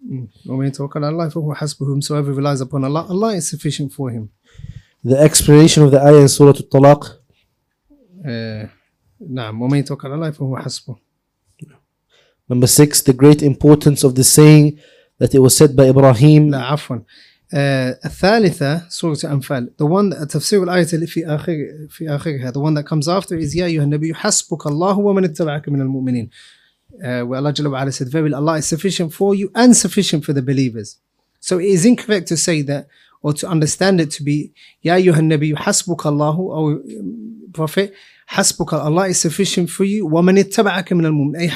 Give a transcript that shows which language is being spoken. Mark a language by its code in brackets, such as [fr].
[ar] وَمَنْ يَتَوَكَّلْ عَلَىٰ اللَّهِ فَهُوَ حَسْبُهُ. [en] Whoever relies upon Allah, Allah is sufficient for him. The explanation of the ayah in Surah Al-Talaq. [ar] نعم, وَمَنْ يَتَوَكَّلْ عَلَىٰ اللَّهِ فَهُوَ حَسْبُهُ. [en] Number six, the great importance of the saying that it was said by Ibrahim. [ar] لا عفوا. الثالثة سورة أنفال. [en] The one that [ar] تفسير الآية في آخرها. [en] The one that comes after is [ar] يا أيها النبي حسبك الله ومن اتبعك من المؤمنين. [en] Where Allah جل وعلا said, verily Allah is sufficient for you and sufficient for the believers. So it is incorrect to say that or to understand it to be [ar] يا أيها النبي حسبك الله [en] or Prophet حسبك Allah is sufficient for you [ar] ومن اتبعك من المؤمنين.